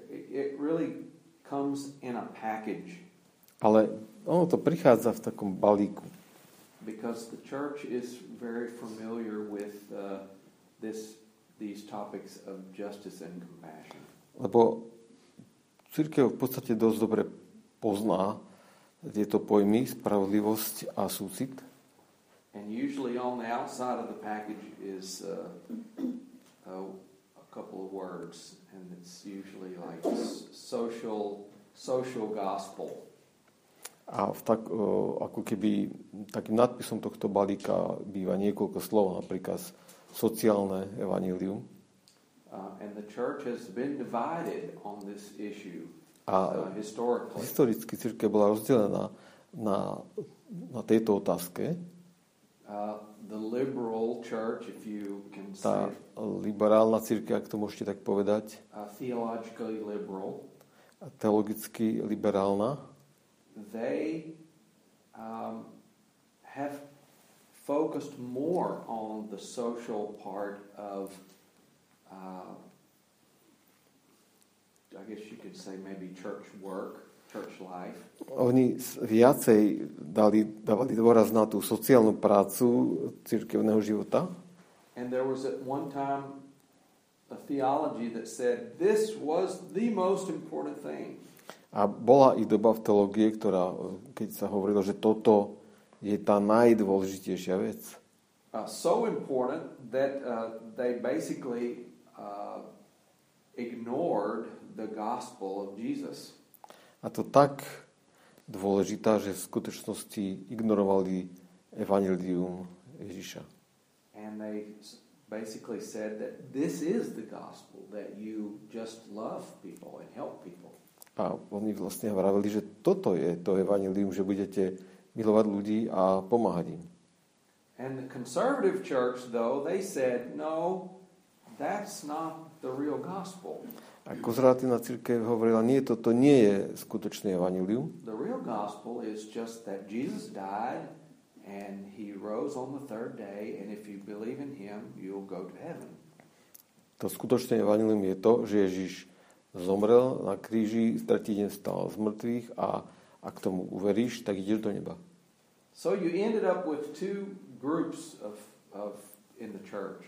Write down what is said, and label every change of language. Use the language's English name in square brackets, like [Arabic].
[English] it really comes in a package. [Slovak] Ale ono to prichádza v takom balíku. [English] Because the church is very familiar with these topics of justice and compassion. [Slovak] Lebo cirkev v podstate dosť dobre pozná tieto pojmy spravodlivosť a súcit. [English] And usually on the outside of the package is a couple of words, and it's usually like social gospel. [Slovak] A ako keby takým nadpisom tohto balíka býva niekoľko slov, napríklad sociálne evanjelium. [English] And the church has been divided on this issue. [Slovak] A historicky cirkev bola rozdelená na tejto otázke. [English] The liberal church, if you can say. [Slovak] Tá liberálna cirkev, ak to môžete tak povedať. [English] Theologically liberal. [Slovak] Teologicky liberálna. [English] They have focused more on the social part of I guess you could say maybe church work, church life. [Slovak] Oni viacej dávali dôraz na tú sociálnu prácu cirkevného života. [English] And there was at one time a theology that said this was the most important thing. [Slovak] A bola i doba v teológie, ktorá, keď sa hovorilo, že toto je tá najdôležitejšia vec. [English] So important that they basically ignored the gospel of Jesus. [Slovak] A to tak dôležitá, že v skutočnosti ignorovali evanjelium Ježiša. [English] And they basically said that this is the gospel, that you just love people and help people. [Slovak] A oni vlastne hovorili, že toto je to evanjelium, že budete milovať ľudí a pomáhať im. [English] And the conservative church though, they said, no, that's not the real gospel. [Slovak] A konzervatívna cirkev hovorila, nie, toto nie je skutočné evanjelium. [English] The real gospel is just that Jesus died and he rose on the third day and if you believe in him, you'll go to heaven. [Slovak] To skutočné evanjelium je to, že Ježiš zomrel na kríži, tretí deň stal z mŕtvych a ak tomu uveríš, tak ideš do neba. [English] So you ended up with two groups of in the church.